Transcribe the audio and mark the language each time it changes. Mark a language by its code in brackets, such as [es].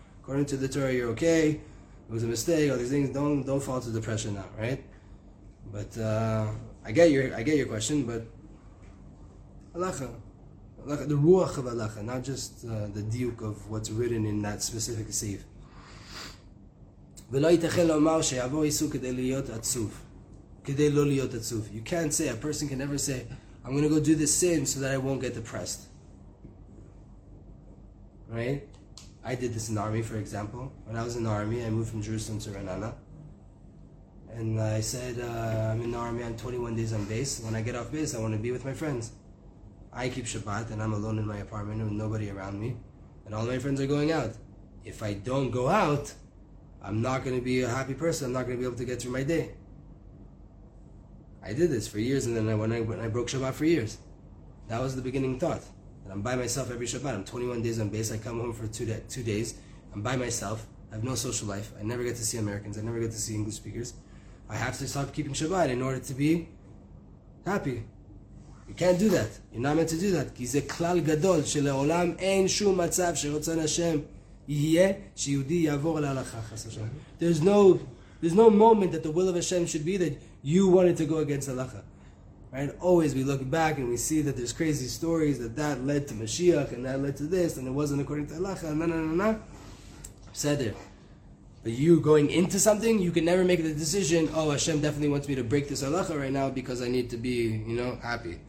[en] According to the Torah, you're okay. It was a mistake, all these things, don't fall to depression now, right? But I get your question, but halacha, the ruach of halacha, not just the diuk of what's written in that specific seif. [he] ולא יתחיל לומר שיעבור איסור כדי להיות עצוב. כדי לא להיות עצוב. [en] You can't say, a person can never say, I'm going to go do this sin so that I won't get depressed. Right? I did this in the army, for example. When I was in the army, I moved from Jerusalem to Ranana. And I said, I'm in the army, I'm 21 days on base. When I get off base, I want to be with my friends. I keep Shabbat and I'm alone in my apartment with nobody around me. And all my friends are going out. If I don't go out, I'm not going to be a happy person. I'm not going to be able to get through my day. I did this for years, and then when I broke Shabbat for years, that was the beginning thought. That I'm by myself every Shabbat. I'm 21 days on base. I come home for two days. I'm by myself. I have no social life. I never get to see Americans. I never get to see English speakers. I have to stop keeping Shabbat in order to be happy. You can't do that. You're not meant to do that. [he] כי זה כלל גדול שלעולם אין שום מצב שרוצה נשם יהיה שיהודי יעבור על ההלכה חס ושם. [en] There's no moment that the will of Hashem should be that you wanted to go against halacha. Right? Always we look back and we see that there's crazy stories that led to Mashiach and that led to this and it wasn't according to halacha. No. Said it. But you going into something, you can never make the decision, oh, Hashem definitely wants me to break this halacha right now because I need to be, you know, happy.